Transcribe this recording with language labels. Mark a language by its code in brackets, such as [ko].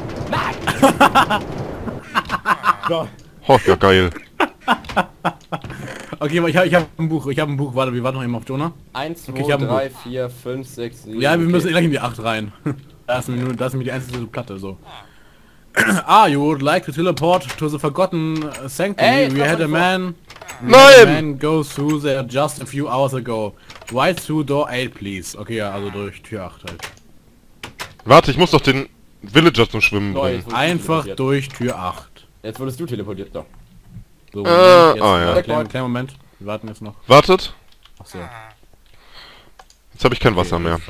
[de] Nein! Oh, ja geil. Okay, ich hab ein Buch, warte, wir warten noch eben auf Jonah. 1, 2, 3, 4, 5, 6, 7. Ja, wir müssen gleich in die 8 rein. Das ist mir die einzige Platte so. [en] Ah, you would like to teleport to the forgotten sanctum. Ey, we had a man. [de] Nein! [en] Man goes through there just a few hours ago. Right through door 8, please. [de] Okay, ja, also durch Tür 8 halt. Warte, ich muss doch den Villager zum Schwimmen bringen. Einfach durch Tür 8. Jetzt wurdest du teleportiert, doch. So, ja. Kleinen Moment, wir warten jetzt noch. Wartet. Ach so. Jetzt habe ich kein Wasser mehr.